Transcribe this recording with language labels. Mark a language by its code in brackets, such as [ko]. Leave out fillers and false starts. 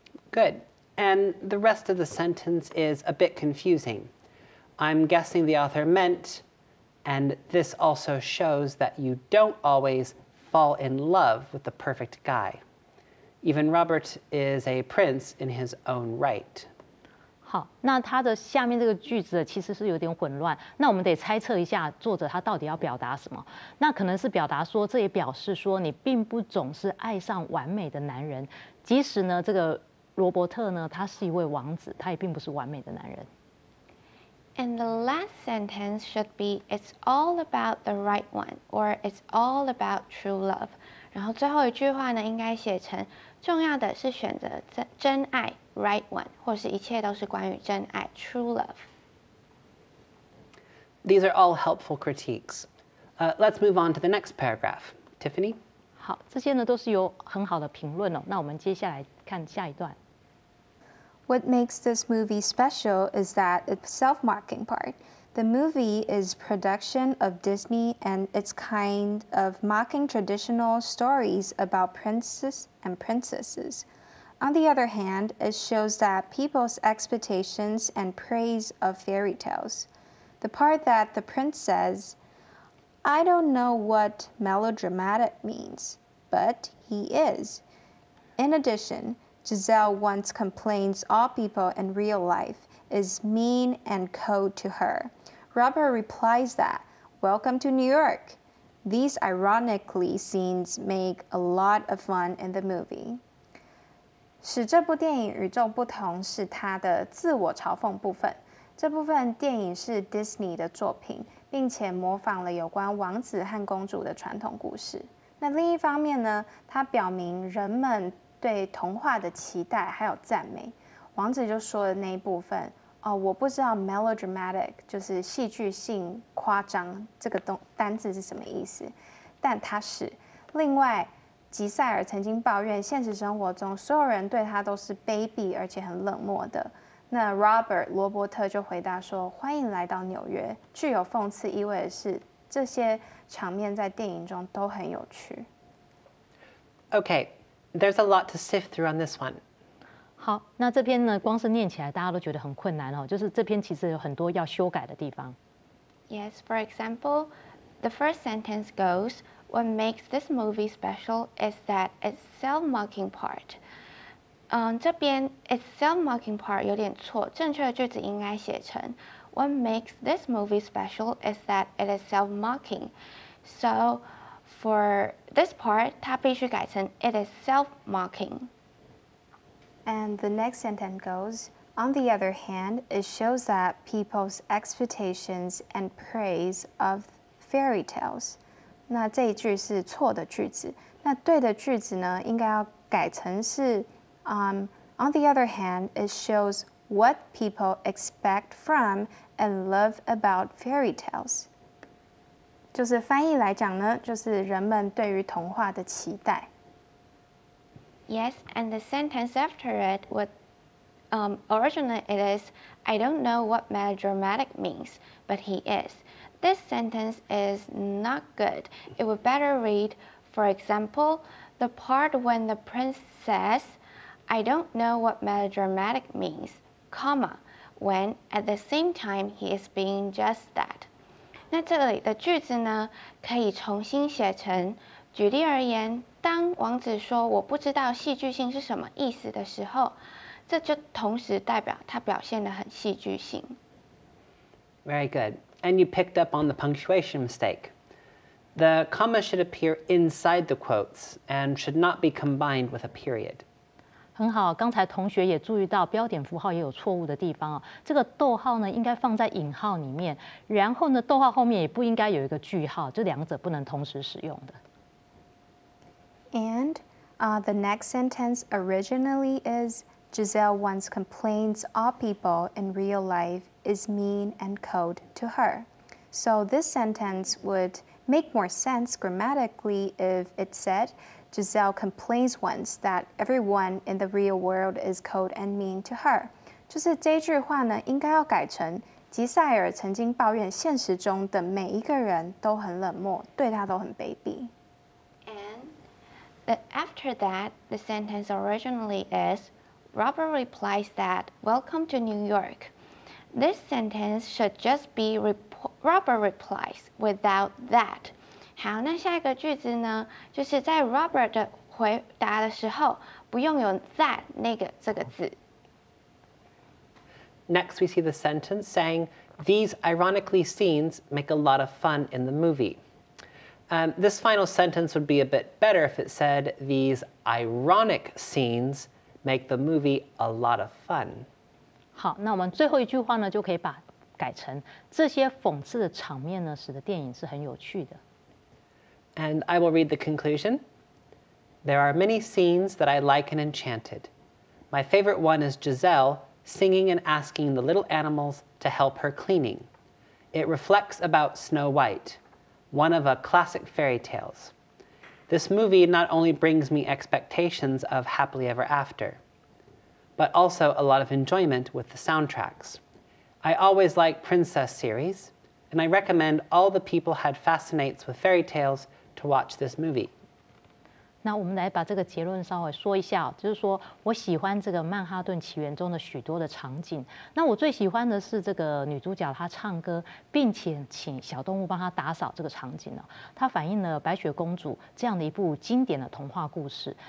[en] Good. And the rest of the sentence is a bit confusing. I'm guessing the author meant, and this also shows that you don't always fall in love with the perfect guy. Even Robert is a prince in his own right. [zh] 好，那他的下面这个句子其实是有点混乱。那我们得猜测一下作者他到底要表达什么。那可能是表达说，这也表示说你并不总是爱上完美的男人，即使呢这个。罗伯特呢，他是一位王子，他也并不是完美的男人。 [en] And the last sentence should be, it's all about the right one, or it's all about true love. [zh] 然后最后一句话呢，应该写成，重要的是选择真爱 ， [en] right one， [zh] 或是一切都是关于真爱 ， [en] true love. These are all helpful critiques. Let's move on to the next paragraph, Tiffany. [zh] 好，这些呢都是有很好的评论哦。那我们接下来看下一段。 [en] What makes this movie special is that its self-marketing part. The movie is production of Disney and it's kind of mocking traditional stories about princes and princesses. On the other hand, it shows that people's expectations and praise of fairy tales. The part that the prince says,I don't know what melodramatic means, but he is. In addition, Giselle once complains all people in real life is mean and cold to her. Robert replies that, Welcome to New York. These ironically scenes make a lot of fun in the movie. [zh] 使这部电影与众不同是它的自我嘲讽部分。这部分电影是 Disney 的作品，并且模仿了有关王子和公主的传统故事。那另一方面呢，它表明人们对童话的期待还有赞美。王子就说的那一部分，哦，我不知道 melodramatic 就是戏剧性夸张这个单字是什么意思，但它是。另外，吉塞尔曾经抱怨现实生活中所有人对他都是卑鄙而且很冷漠的。那 Robert 罗伯特就回答说，欢迎来到纽约。具有讽刺意味的是，这些场面在电影中都很有趣。 [en] Okay, there's a lot to sift through on this one. [zh] 好，那这篇呢，光是念起来大家都觉得很困难哦，就是这篇其实有很多要修改的地方。 [en] Yes, for example, the first sentence goes, what makes this movie special is that it's self-mocking part. [zh] 这边 [en] it's self-mocking part [zh] 有点错，正确的句子应该写成 [en] What makes this movie special is that it is self-mocking. So for this part, [zh] 它必须改成 [en] it is self-mocking. And the next sentence goes, on the other hand, it shows that people's expectations and praise of fairy tales. [zh] 那这一句是错的句子，那对的句子呢，应该要改成是 [en] on the other hand, it shows what people expect from and love about fairy tales. [zh] 就是翻译来讲呢，就是人们对于童话的期待。 [en] Yes, and the sentence after it, originally it is, I don't know what melodramatic means, but he is. This sentence is not good. It would better read, for example, the part when the prince says,I don't know what melodramatic means, comma, when at the same time he is being just that. [zh] 那这里的句子呢，可以重新写成，举例而言，当王子说我不知道戏剧性是什么意思的时候，这就同时代表他表现得很戏剧性。 [en] Very good. And you picked up on the punctuation mistake. The comma should appear inside the quotes and should not be combined with a period. [zh] 很好，刚才同学也注意到标点符号也有错误的地方啊。这个逗号呢，应该放在引号里面，然后呢，逗号后面也不应该有一个句号，这两者不能同时使用的。 [en] And, the next sentence originally is Giselle once complains all people in real life is mean and cold to her. So this sentence would make more sense grammatically if it said. Giselle complains once that everyone in the real world is cold and mean to her. [zh] 就是这句话呢，应该要改成吉塞尔曾经抱怨现实中的每一个人都很冷漠，对她都很卑鄙。 [en] And after that, the sentence originally is, Robert replies that, welcome to New York. This sentence should just be Robert replies without that. [zh] 好，那下一个句子呢，就是在 Robert 的回答的时候，不用有 that 那个这个字。 [en] Next, we see the sentence saying, these ironically scenes make a lot of fun in the movie. This final sentence would be a bit better if it said, these ironic scenes make the movie a lot of fun. [zh] 好，那我们最后一句话呢，就可以把改成，这些讽刺的场面呢，使得电影是很有趣的。 [en] And I will read the conclusion. There are many scenes that I like in Enchanted. My favorite one is Giselle singing and asking the little animals to help her cleaning. It reflects about Snow White, one of a classic fairy tales. This movie not only brings me expectations of happily ever after, but also a lot of enjoyment with the soundtracks. I always like princess series, and I recommend all the people had fascinates with fairy talesTo watch this movie. [zh] 那我们来把这个结论稍微说一下，就是说我喜欢这个《曼哈顿奇缘》中的许多的场景。那我最喜欢的是这个女主角她唱歌，并且请小动物帮她打扫这个场景呢。它反映了白雪公主这样的一部经典的童话故事。